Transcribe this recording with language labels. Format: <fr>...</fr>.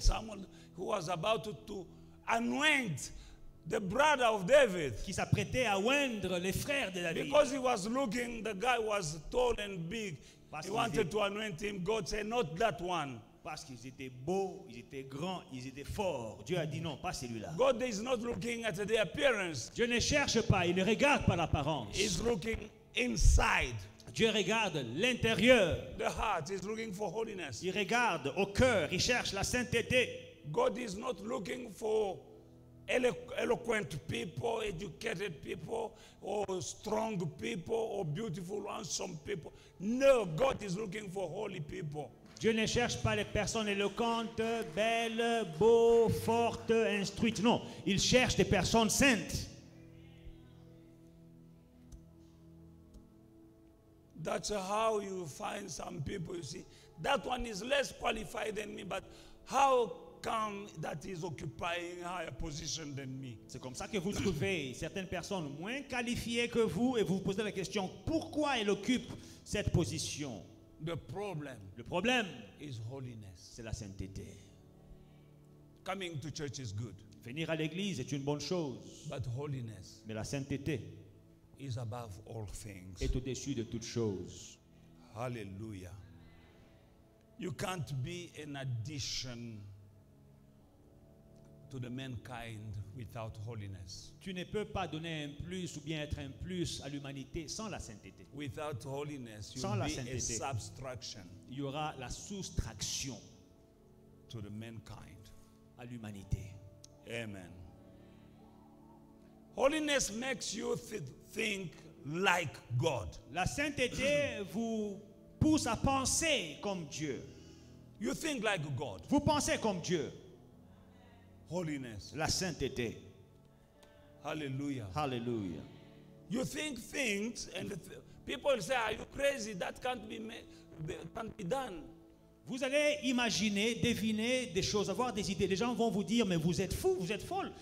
<en>Samuel, who was about to anoint the brother of David,</en> <fr>qui s'apprêtait à oindre les frères de David.</fr> <en>Because he was looking, the guy was tall and big. He wanted to anoint him. God said, "Not that one."</en> <fr>Parce qu'ils étaient beaux, ils étaient grands, ils étaient forts. Dieu a dit non, pas celui-là.</fr> <en>God is not looking at the appearance.</en> <fr>Dieu ne cherche pas, il ne regarde pas l'apparence.</fr> <en>He's looking inside.</en> <fr>Dieu regarde l'intérieur.</fr> <en>The heart is looking for holiness.</en> <fr>Il regarde au cœur, il cherche la sainteté.</fr> <en>God is not looking for eloquent people, educated people, or strong people, or beautiful, handsome people. No, God is looking for holy people.</en> <fr>Dieu ne cherche pas les personnes éloquentes, belles, beaux, fortes, instruites. Non, il cherche des personnes saintes.</fr> <en>That's how you find some people, you see. That one is less qualified than me, but how come that he's occupying a higher position than me?</en> <fr>C'est comme ça que vous trouvez certaines personnes moins qualifiées que vous et vous vous posez la question, pourquoi il occupe cette position? Le problème</fr> <en>is holiness.</en> <fr>C'est la sainteté.</fr> <en>Coming to church is good.</en> <fr>Venir à l'église est une bonne chose.</fr> <en>But holiness.</en> <fr>Mais la sainteté.</fr> <en>Is above all things.</en> <fr>Est au-dessus de toutes choses.</fr> <en>Hallelujah. You can't be an addition to the mankind without holiness.</en> <fr>Tu ne peux pas donner un plus ou bien être un plus à l'humanité sans la sainteté.</fr> <en>Without holiness, you</en> <fr>sans</fr> <en>be</en> <fr>la sainteté,</fr> <en>a subtraction.</en> <fr>Il y aura la soustraction</fr> <en>to the mankind.</en> <fr>À l'humanité.</fr> <en>Amen. Holiness makes you think like God.</en> <fr>La sainteté vous pousse à penser comme Dieu.</fr> <en>You think like God.</en> <fr>Vous pensez comme Dieu.</fr> <en>Holiness.</en> <fr>La sainteté.</fr> <en>Hallelujah. Hallelujah. You think things and people say, "Are you crazy? That can't be made, can't be done."</en> <fr>Vous allez imaginer, deviner des choses, avoir des idées. Les gens vont vous dire, "Mais vous êtes fou, vous êtes folle.</fr>